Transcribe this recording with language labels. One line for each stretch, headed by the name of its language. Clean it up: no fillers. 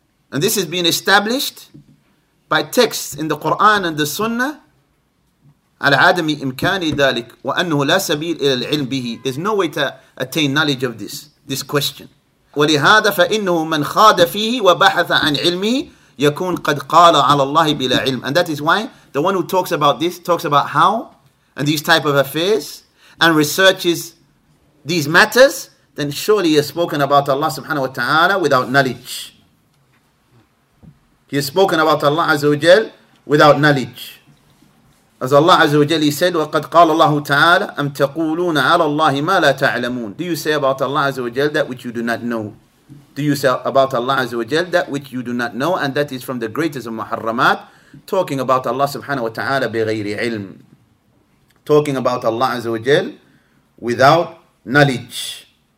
English: And this has been established by texts in the Quran and the Sunnah
Arabic: على عدم إمكان ذلك وأنه لا سبيل إلى العلم به.
English: There's no way to attain knowledge of this question.
Arabic: ولهذا فإنه من خاض فيه وبحث عن علمه يكون قد قال على الله بلا علم.
English: And that is why the one who talks about this, talks about how and these type of affairs and researches these matters, then surely he has spoken about Allah subhanahu wa ta'ala without knowledge. He has spoken about Allah Azza wa Jal without knowledge. As Allah Azza wa Jal, he said,
Arabic: وَقَدْ قَالَ اللَّهُ تَعَالَى أَمْ تَقُولُونَ عَلَى اللَّهِ مَا لَا تَعْلَمُونَ.
English: Do you say about Allah Azza wa Jal that which you do not know? Do you say about Allah Azza wa Jal that which you do not know? And that is from the greatest of muharramat, talking about Allah subhanahu wa ta'ala
Arabic: بِغَيْرِ عِلْمٍ.
English: Talking about Allah Azza wa Jal without knowledge.